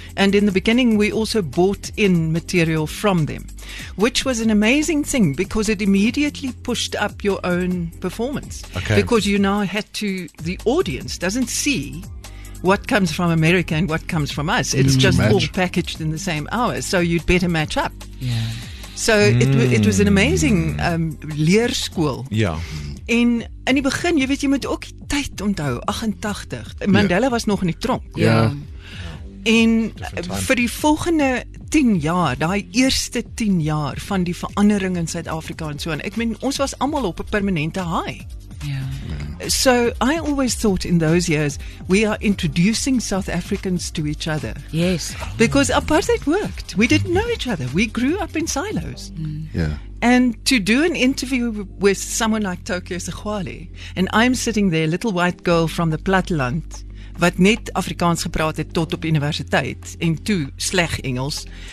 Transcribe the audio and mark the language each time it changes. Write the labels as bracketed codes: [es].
[en] And in the beginning, we also bought in material from them, which was an amazing thing because it immediately pushed up your own performance. Okay. Because you now had to, the audience doesn't see what comes from America and what comes from us. It's just match. All packaged in the same hour. So you'd better match up. Yeah. So it was an amazing leerskool. Yeah. [af] En in die begin, jy weet, jy moet ook die tyd onthou, 88. Mandela was nog in die tronk. Ja. Yeah. En vir die volgende 10 jaar, daai eerste 10 jaar van die verandering in Suid-Afrika en so, en ek meen, ons was allemaal op 'n permanente high. [en] Yeah. So I always thought in those years we are introducing South Africans to each other. Yes. Because apartheid worked. We didn't know each other. We grew up in silos. Mm. Yeah. And to do an interview with someone like Tokyo Sekgwali, and I'm sitting there, little white girl from the platteland, [af] wat net Afrikaans gepraat het tot op universiteit, en toe sleg Engels.